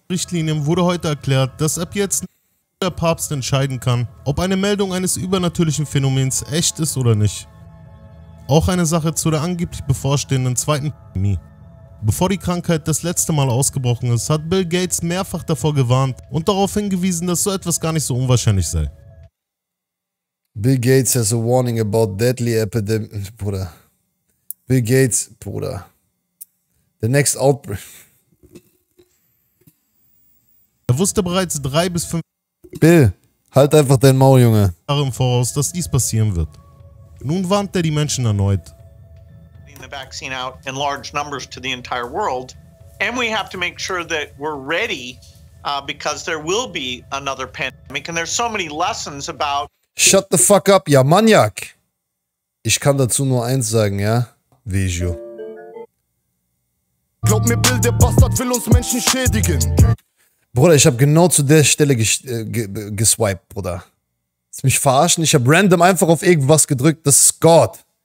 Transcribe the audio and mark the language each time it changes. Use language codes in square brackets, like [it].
[de] Richtlinien wurde heute erklärt, dass ab jetzt der Papst entscheiden kann, ob eine Meldung eines übernatürlichen Phänomens echt ist oder nicht. Auch eine Sache zu der angeblich bevorstehenden zweiten Pandemie. Bevor die Krankheit das letzte Mal ausgebrochen ist, hat Bill Gates mehrfach davor gewarnt und darauf hingewiesen, dass so etwas gar nicht so unwahrscheinlich sei. [en] Bill Gates has a warning about deadly epidemic. [de] Bruder. Bill Gates, Bruder. [en] The next outbreak. [de] Er wusste bereits 3 bis 5. Bill, halt einfach dein Maul, Junge. Jahre im Voraus, dass dies passieren wird. Nun warnt er die Menschen erneut. [en] The vaccine out in large numbers to the entire world, and we have to make sure that we're ready, because there will be another pandemic, and there's so many lessons about. Shut the fuck up, ja, Maniac. [de] Ich kann dazu nur eins sagen, ja, Vigio. Glaub mir, Bill, der Bastard will uns Menschen schädigen. Bruder, ich habe genau zu der Stelle geswiped, Bruder. Willst du mich verarschen? Ich habe random einfach auf irgendwas gedrückt. Das ist Gott.